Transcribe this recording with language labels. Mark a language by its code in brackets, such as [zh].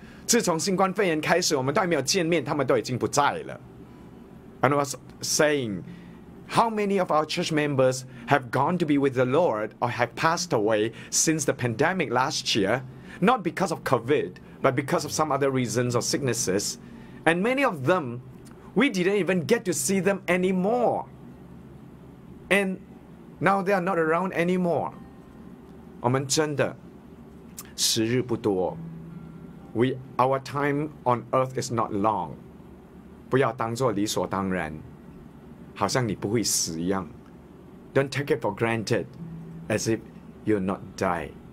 [zh] 自从新冠肺炎开始，我们都还没有见面，他们都已经不在了。 [en] And I was saying, how many of our church members have gone to be with the Lord or have passed away since the pandemic last year? Not because of COVID, but because of some other reasons or sicknesses. And many of them, we didn't even get to see them anymore. AndNow they are not around anymore. [zh] 我们真的时日不多。 [en] Our time on earth is not long. [zh] 不要当作理所当然，好像你不会死一样。 [en] Don't take it for granted as if you'll not die.